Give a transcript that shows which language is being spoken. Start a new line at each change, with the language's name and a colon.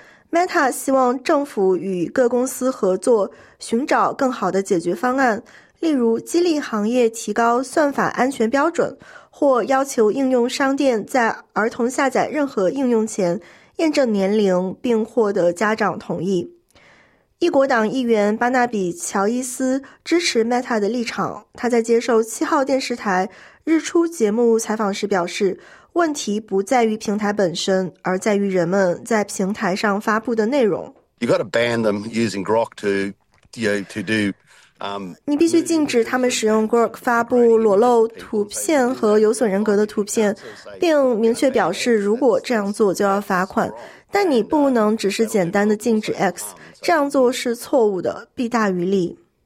Chinese: Meta 希望政府与各公司合作，寻找更好的解决方案，例如激励行业提高算法安全标准，或要求应用商店在儿童下载任何应用前验证年龄并获得家长同意。异国党议员巴纳比·乔伊斯支持 Meta 的立场，他在接受7号电视台日出节目采访时表示，问题不在于平台本身，而在于人们在平台上发布的内容。
English: You got to ban them using Grok to do.
Chinese: 你必须禁止他们使用 Grok 发布裸露图片和有损人格的图片，并明确表示如果这样做就要罚款。但你不能只是简单的禁止 X， 这样做是错误的，弊大于利。